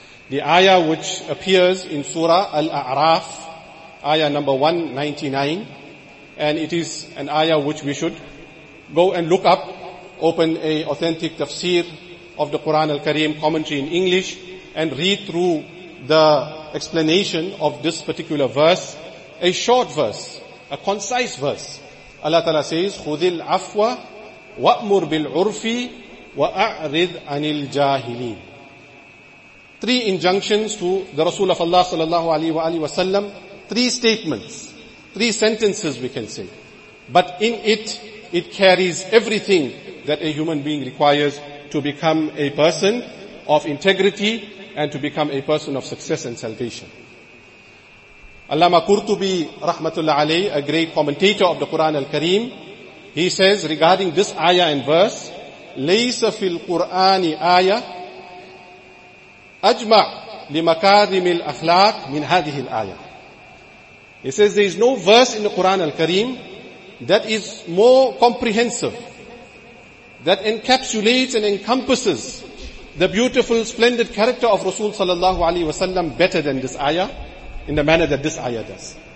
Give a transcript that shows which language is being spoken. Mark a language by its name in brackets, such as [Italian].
[English] The ayah which appears in Surah Al-A'raf, ayah number 199, and it is an ayah which we should go and look up, open a authentic tafsir of the Quran al-Kareem commentary in English, and read through the explanation of this particular verse, a short verse, a concise verse. Allah Ta'ala says, [Arabic] خُذِ الْعَفْوَ وَأْمُرْ بِالْعُرْفِ وَأَعْرِضْ عَنِ الْجَاهِلِينَ. [English] Three injunctions to the Rasul of Allah sallallahu alayhi wa sallam, three statements, three sentences we can say. But in it, it carries everything that a human being requires to become a person of integrity and to become a person of success and salvation. Allama Qurtubi rahmatullah alayhi, a great commentator of the Quran al-Kareem, he says regarding this ayah and verse, [Arabic] ليس في القرآن آية أجمع لمكارم الأخلاق من هذه الآية. [English] He says there is no verse in the Quran al-Kareem that is more comprehensive, that encapsulates and encompasses the beautiful, splendid character of Rasul sallallahu alayhi wa sallam better than this ayah, in the manner that this ayah does.